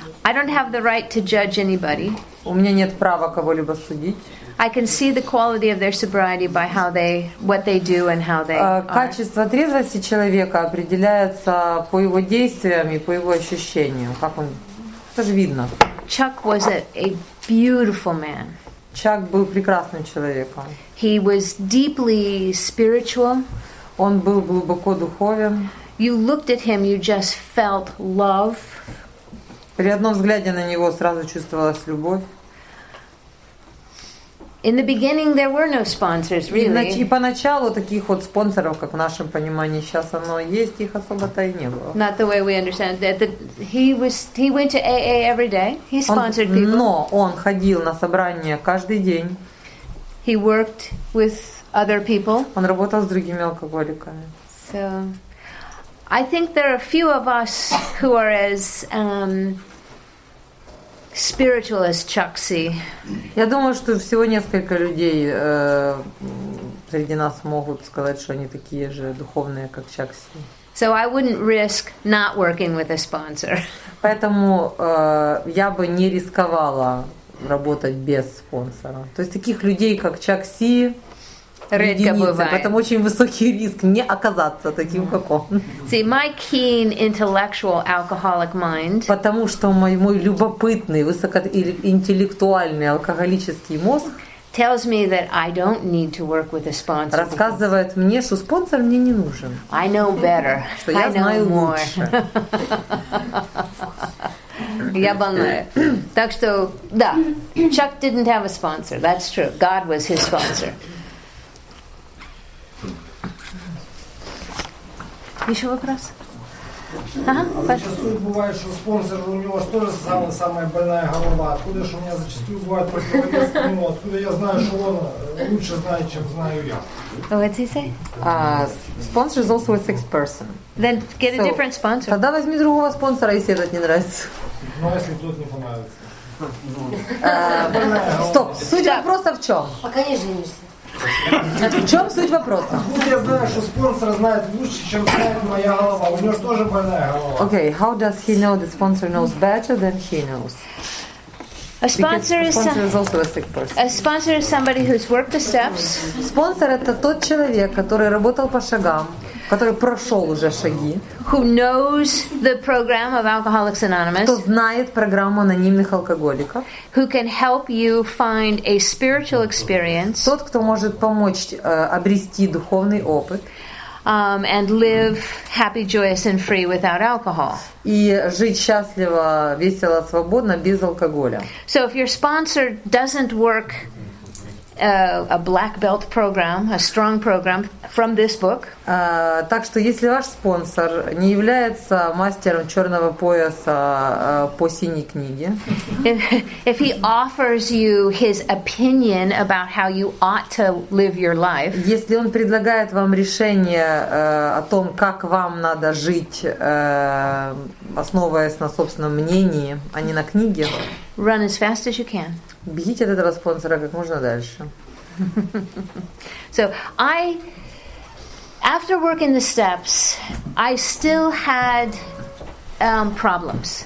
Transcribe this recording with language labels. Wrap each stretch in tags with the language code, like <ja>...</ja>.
<en>I don't have the right to judge anybody.</en> <ru>У меня нет права кого-либо судить.</ru> <en>I can see the quality of their sobriety by how they, what they do, and how they.</en> <ru>Качество трезвости человека определяется по его действиям и по его ощущениям, как он. Это же видно.</ru> <en>Chuck was a beautiful man.</en> <ru>Чак был прекрасным человеком.</ru> <en>He was deeply spiritual.</en> <ru>Он был глубоко духовен.</ru> <en>You looked at him, you just felt love.</en> <ru>При одном взгляде на него сразу чувствовалась любовь.</ru> <en>In the beginning, there were no sponsors, really.</en> <ru>И поначалу таких вот спонсоров, как в нашем понимании сейчас оно есть, их особо-то и не было.</ru> <en>Not the way we understand that. He went to AA every day. He sponsored people.</en> <ru>Но он ходил на собрания каждый день.</ru> <en>He worked with other people.</en> <ru>Он работал с другими алкоголиками.</ru> <en>So, I think there are a few of us who are as spiritual as Chuck C.</en> <ru>Я думаю, что всего несколько людей среди нас могут сказать, что они такие же духовные, как Chuck C.</ru> <en>So I wouldn't risk not working with a sponsor.</en> <ru>Поэтому я бы не рисковала работать без спонсора. То есть таких людей, как Chuck C, редко бывает. Поэтому очень высокий риск не оказаться таким, как он.</ru> <en>See, my keen intellectual alcoholic mind.</en> <ru>Потому что мой любопытный, высокоинтеллектуальный алкоголический мозг</ru> <en>tells me that I don't need to work with a sponsor.</en> <ru>Рассказывает мне, что спонсор мне не нужен.</ru> <en>I know better.</en> <ru>Что я знаю лучше. Я больная. Так что, да.</ru> <en>Chuck didn't have a sponsor. That's true. God was his sponsor.</en> <ru>Еще вопрос? А зачастую бывает, что спонсор у него тоже самая больная голова. Откуда же у меня зачастую бывает противовес к нему? Откуда я знаю, что он лучше знает, чем знаю я?</ru> <en>What's he say? Sponsor is also a sixth person. Then get a different sponsor.</en> <ru>Тогда возьми другого спонсора, если этот не нравится. Ну, если тот не понравится. Стоп, суть вопроса в чем? Пока не женишься. В чем суть вопроса? Я знаю, что спонсор знает лучше, чем знает моя голова. У него же тоже больная голова.</ru> <en>Okay, how does he know that sponsor knows better than he knows? A sponsor is somebody who's worked the steps.</en> <ru>Спонсор — это тот человек, который работал по шагам, который прошел уже шаги.</ru> <en>Who knows the program of Alcoholics Anonymous?</en> <ru>Кто знает программу анонимных алкоголиков?</ru> <en>Who can help you find a spiritual experience?</en> <ru>Тот, кто может помочь обрести духовный опыт.</ru> <en>And live happy, joyous, and free without alcohol.</en> <ru>И жить счастливо, весело, свободно без алкоголя.</ru> <en>So if your sponsor doesn't work a black belt program, a strong program from this book.</en> <ru>Так что если ваш спонсор не является мастером черного пояса по синей книге,</ru> <en>if he offers you his opinion about how you ought to live your life,</en> <ru>если он предлагает вам решение о том, как вам надо жить, основываясь на собственном мнении, а не на книге,</ru> <en>run as fast as you can.</en> <ru>Бегите от этого спонсора как можно дальше.</ru> <en>So I, after working the steps, I still had problems.</en>